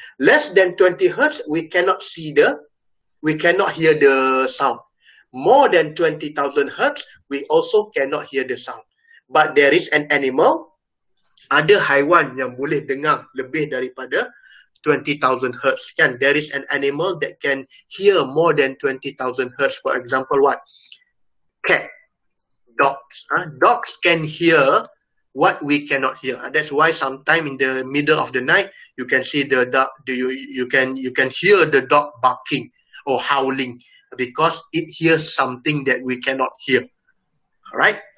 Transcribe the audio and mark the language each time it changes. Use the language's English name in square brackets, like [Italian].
[English] Less than 20 hertz, we cannot hear the sound. More than 20,000 hertz, we also cannot hear the sound. But there is an animal, [Malay] ada haiwan yang boleh dengar lebih daripada 20,000 hertz, [English] kan? There is an animal that can hear more than 20,000 hertz. For example, what? Cat. Dogs. Huh? Dogs can hear what we cannot hear. That's why sometime in the middle of the night, you can see the dog, you can hear the dog barking or howling because it hears something that we cannot hear. Alright?